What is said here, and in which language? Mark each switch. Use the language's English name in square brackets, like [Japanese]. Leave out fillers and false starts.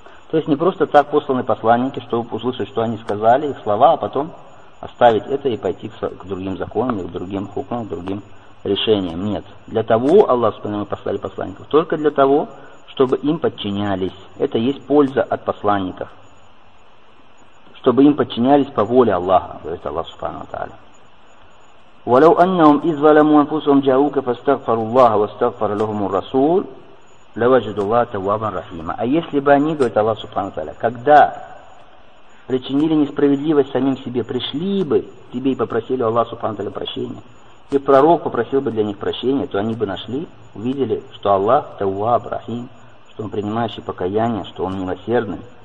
[Russian] То есть не просто так посланы посланники, чтобы услышать, что они сказали, их слова, а потом оставить это и пойти к другим законам, к другим хукмам, к другим решениям. Нет. Для того, Аллах Субхану, мы послали посланников, только для того, чтобы им подчинялись. Это есть польза от посланников. Чтобы им подчинялись по воле Аллаха, говорит Аллах Субхану Тааля. [Arabic] ولو انهم اذ ظلموا انفسهم جاءوك فاستغفروا الله واستغفر لهم الرسول لوجدوا الله توابا رحيما. [Russian] А если бы они, говорит Аллах Субхану ва Тааля, когда причинили несправедливость самим себе, пришли бы тебе и попросили Аллаха Субхану ва Тааля прощения, и пророк попросил бы для них прощения, то они бы нашли, увидели, что Аллах тауаб рахим, что он принимающий покаяние, что он милосердный.